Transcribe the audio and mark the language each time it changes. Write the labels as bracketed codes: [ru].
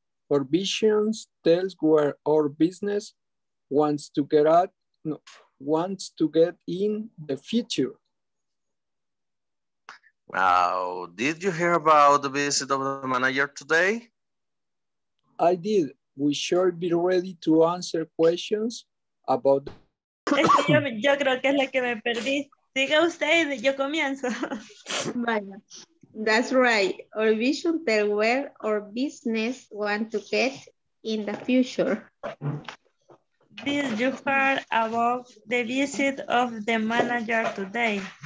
[en] Our vision tells where our business wants to get in the future. Wow, did you hear about the visit of the manager today? I did. We should be ready to answer questions about the [es] yo creo que es la que me perdí. Siga usted, yo comienzo. [en] Vaya. That's right. Our vision tell where our business want to get in the future. Did you hear about the visit of the manager today?